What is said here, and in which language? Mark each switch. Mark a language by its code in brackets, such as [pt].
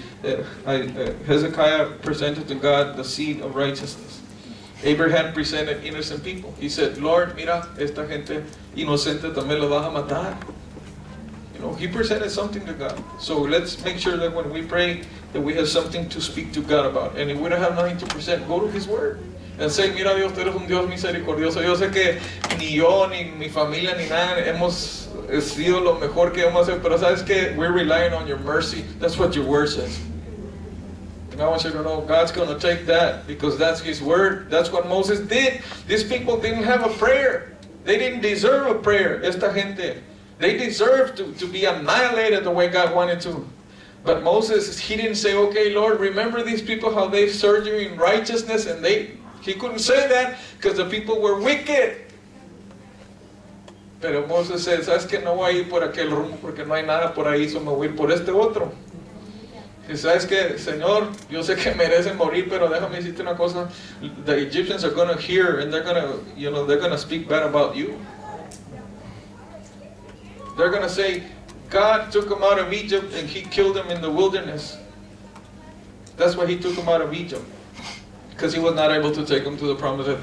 [en] Hezekiah presented to God the seed of righteousness. Abraham presented innocent people. He said, Lord, [es] mira, esta gente inocente también lo vas a matar. [en] You know, he presented something to God. So let's make sure that when we pray, that we have something to speak to God about. And if we don't have nothing to present, go to His word. And say, [es] mira Dios, tú eres un Dios misericordioso. Yo sé que ni yo, ni mi familia, ni nada, hemos sido lo mejor que hemos hecho. Pero sabes que, [en] we're relying on your mercy. That's what your word says. And I want you to know, God's going to take that, because that's His word. That's what Moses did. These people didn't have a prayer. They didn't deserve a prayer, [es] esta gente. [en] They deserved to be annihilated the way God wanted to. But Moses, he didn't say, okay, Lord, remember these people, how they served you in righteousness, and they... He couldn't say that because the people were wicked. [es] Pero Moses says, ¿sabes que no voy a ir por aquel rumbo porque no hay nada por ahí, so me voy a ir por este otro? Y sabes que, Señor, yo sé que merecen morir, pero déjame decirte una cosa. [en] The Egyptians are going to hear and they're going to, you know, they're going to speak bad about you. They're going to say, God took them out of Egypt and He killed them in the wilderness. That's why He took them out of Egypt. Because He was not able to take them to the promised land.